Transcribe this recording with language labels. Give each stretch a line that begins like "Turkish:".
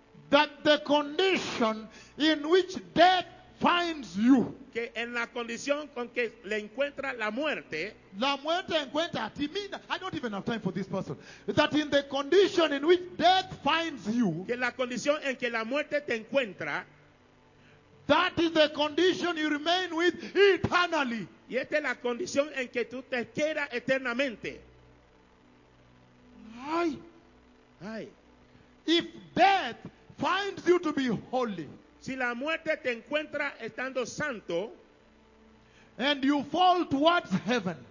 English: that the condition in which death finds you.
Spanish: Que en la condición con que le encuentra la muerte. La muerte encuentra a ti.
English: I don't even have time for this person. That in the condition in which death finds you.
Spanish: Que la condición en que la muerte te encuentra.
English: That is the condition you remain with eternally.
Spanish: Y esta es la condición en que tú te quedas eternamente. Ay. Ay.
English: If death finds you to be holy.
Spanish: Si la muerte te encuentra estando santo,
English: and you fall towards heaven,